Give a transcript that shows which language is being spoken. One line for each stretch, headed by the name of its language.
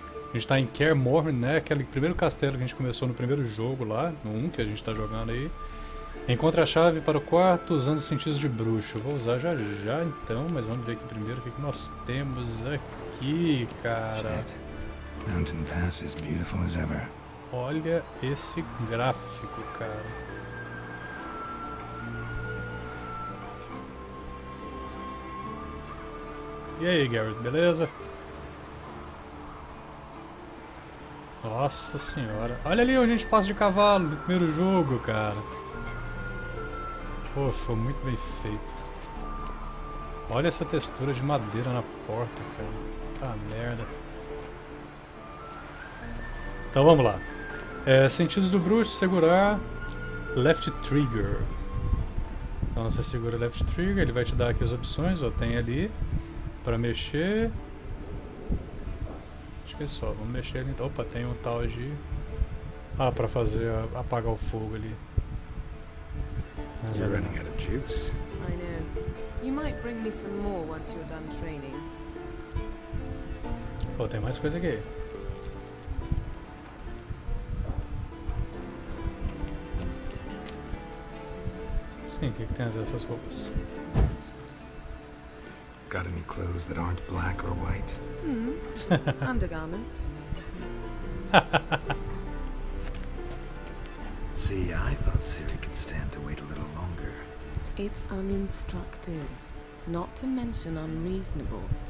Portuguese: A gente tá em Kaer Morhen, né? Aquele primeiro castelo que a gente começou no primeiro jogo lá, no 1 que a gente tá jogando aí. Encontra a chave para o quarto usando os sentidos de bruxo. Vou usar já já então, mas vamos ver aqui primeiro o que, que nós temos aqui, cara.
English: Mountain Pass is beautiful as ever.
Portuguese: Olha esse gráfico, cara. E aí, Garrett, beleza? Nossa senhora. Olha ali onde a gente passa de cavalo no primeiro jogo, cara. Pô, foi muito bem feito. Olha essa textura de madeira na porta, cara. Tá merda. Então vamos lá. É, sentidos do bruxo, segurar left trigger. Então você segura left trigger, ele vai te dar aqui as opções, ó, tem ali. Pra mexer. Acho que é só, vamos mexer ali então. Opa, tem um tal de. Ah, pra fazer apagar o fogo ali.
English: Mas running out of juice. I know. You might bring me some more once you're done training.
Portuguese: Pô, tem mais coisa aqui. Sim, o que, que tem a ver essas roupas?
English: Got any clothes that aren't black or white? Hmm. Undergarments. See, I thought Ciri could stand to wait a little longer. It's uninstructive, not to mention unreasonable.